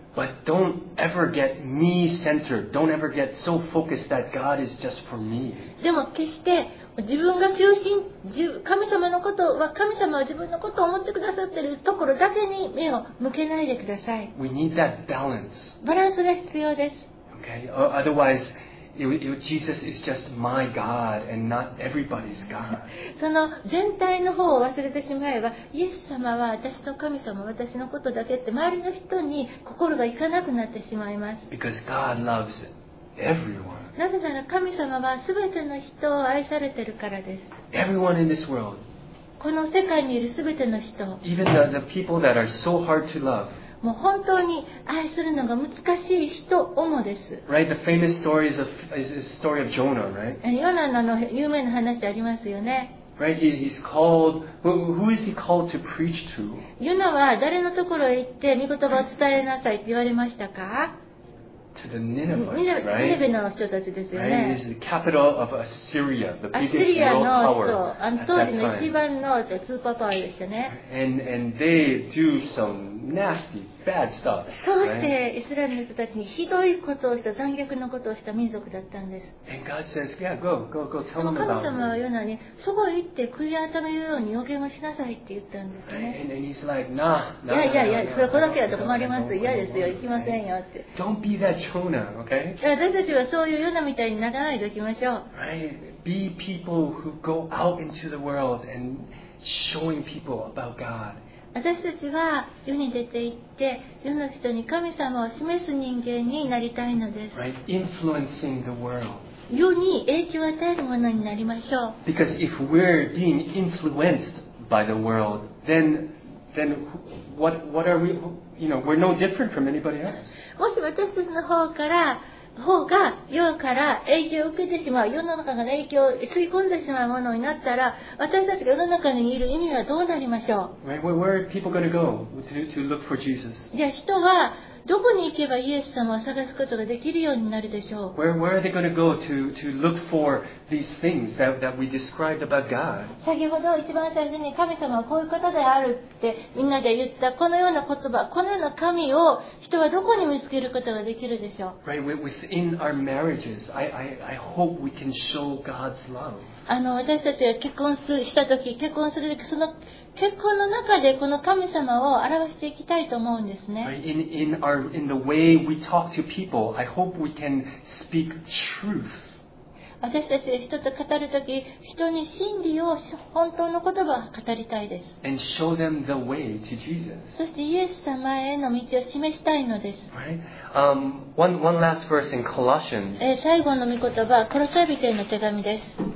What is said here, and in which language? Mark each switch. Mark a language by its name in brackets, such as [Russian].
[English] But don't ever get me centered. Don't ever get so focused that God is just for me. [Japanese] でも決して自分が中心、神様のことは神様は自分のことを思ってくださってるところだけに目を向けないでください。 [English] We need that balance. [Japanese] バランスが必要です。 [English] Okay. Otherwise, Jesus is just my God and not everybody's God. [Japanese] その全体の方を忘れてしまえば、イエス様は私の神様、私のことだけって周りの人に心がいかなくなってしまいます。 [English] Because God loves everyone. [Japanese] なぜなら神様は全ての人を愛されてるからです。 [English] Everyone in this world. [Japanese] この世界にいる全ての人。 [English] Even the people that are so hard to love. [Japanese] もう本当に愛するのが難しい人をもです。 [English] Right, the famous story is a story of Jonah, right? [Japanese] ヨナの有名な話ありますよね。 [English] Right, he's called. Who is he called to preach to? [Japanese] ヨナは誰のところへ行って御言葉を伝えなさいって言われましたか [English] ？To the Nineveh, right? [Japanese] ニネベの人たちですよね。 [English] Right, he's the capital of Assyria, the biggest world power. [Japanese] アッシリアの人、あの当時の一番のスーパーパワーでしたね。 [English] And they do some. Nasty, bad stuff, right? [Japanese] そうしてイスラエルの人たちにひどいことをした残虐なことをした民族だったんです。 [English] And God says, yeah, go, tell them about it. [Japanese] 神様はヨナにそこ行って悔い改めるように予言をしなさいって言ったんですね。 [English] Right? And he's like, nah, no. [Japanese] いやいやいや、それこだけだと困ります。嫌ですよ、行きませんよって。 [English] Don't be that Jonah, okay? [Japanese] 私たちはそういうヨナみたいにならないでおきましょう。 [English] Right? Be people who go out into the world and showing people about God. [Japanese] 私たちは世に出て行って世の人に神様を示す人間になりたいのです。 [English] Right, influencing the world. [Japanese] 世に影響を与えるものになりましょう。 [English] Because if we're being influenced by the world, then what are we? You know, we're no different from anybody else. [Japanese] もし私たちの方が世から影響を受けてしまう、世の中が影響を吸い込んでしまうものになったら、私たちが世の中にいる意味はどうなりましょう。 [English] Where are people going to go to look for Jesus? [Japanese] じゃあ人はどこに行けばイエス様を探すことができるようになるでしょう。 [English] Where are they going to go to look for these things that we described about God? [Japanese] 先ほど一番最初に神様はこういう方であるってみんなで言ったこのような言葉、このような神を人はどこに見つけることができるでしょう。 [English] Right, within our marriages, I hope we can show God's love. [Japanese] 私たちが結婚したとき、結婚するとき、その結婚の中でこの神様を表していきたいと思うんですね。 [English] In the way we talk to people, I hope we can speak truth. [Japanese] 私たちが人と語るとき、人に真理を本当の言葉を語りたいです。 [English] And show them the way to Jesus. [Japanese] そしてイエス様への道を示したいのです。 [English] Right? One last verse in Colossians. [Japanese] 最後の御言葉、コロサイ人への手紙です。